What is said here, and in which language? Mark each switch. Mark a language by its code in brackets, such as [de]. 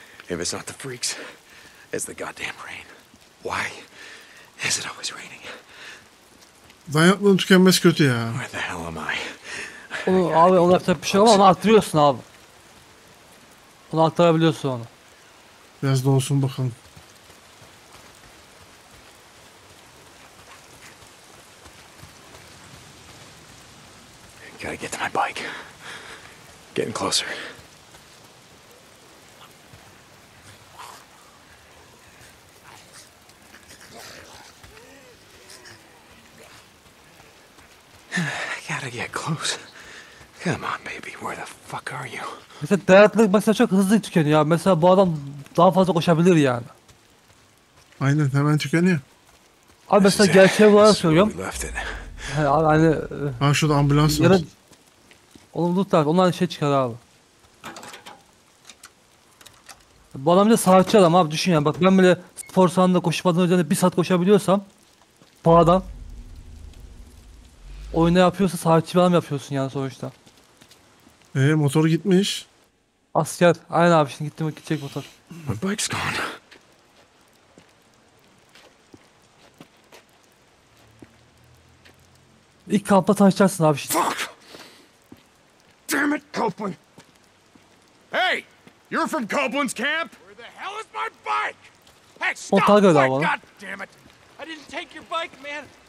[en] If it's not the freaks, it's the goddamn rain. Why? Is it always raining? [tr] Dayanıklılığın tükenmesi kötü ya. [en] Where the hell am I? [tr] Onu, abi onu yapacak bir şey ama onu arttırıyorsun abi. Onu arttırabiliyorsun onu. Biraz dolsun bakalım. [en] Gotta get to my bike. Getting closer. Gotta get close. Come on baby, where the fuck are you? [tr] Mesela dayatlık mesela çok hızlı tükeniyor. Mesela bu adam daha fazla koşabilir yani. Aynen, hemen tükeniyor. Abi mesela gerçeğe bu arada söylüyorum. Abi hani... Ha şurada ambulans var. Oğlum dur tak, onlar şey çıkar abi. Bu adam bir de sağlıkçı adam abi, düşün yani. Bak ben bile spor salonunda koşmadan önce bir saat koşabiliyorsam bu adam oyunda yapıyorsa sahipçi bir adam yapıyorsun yani sonuçta. Motor gitmiş. Asker. Aynen abi, şimdi gitti mi, gidecek motor. [en] My bike's gone. [tr] İlk kampla tanışacaksın abi şimdi. [en] Fuck! Damn it, Copeland! Hey! You're from Copeland's camp? Where the hell is my bike? Hey, stop! God damn it! I didn't didn't take your bike, man.